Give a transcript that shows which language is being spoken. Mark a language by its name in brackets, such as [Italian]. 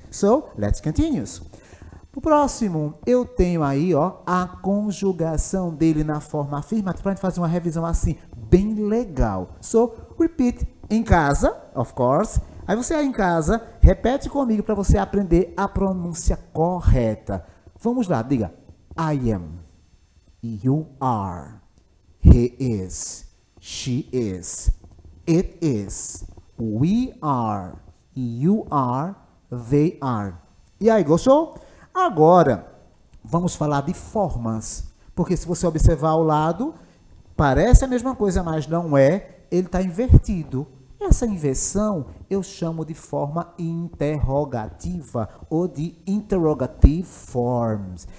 [English] So, let's continue. [Portuguese] O próximo, eu tenho aí ó, a conjugação dele na forma afirmativa para a gente fazer uma revisão assim, bem legal. [English] So, repeat [Portuguese] em casa, [English] of course. [Portuguese] Aí você aí em casa, repete comigo para você aprender a pronúncia correta. Vamos lá, diga. [English] I am. You are. He is, she is, it is, we are, you are, they are. [Portuguese] E aí, gostou? Agora, vamos falar de formas. Porque se você observar ao lado, parece a mesma coisa, mas não é. Ele está invertido. Essa inversão eu chamo de forma interrogativa ou de interrogative forms.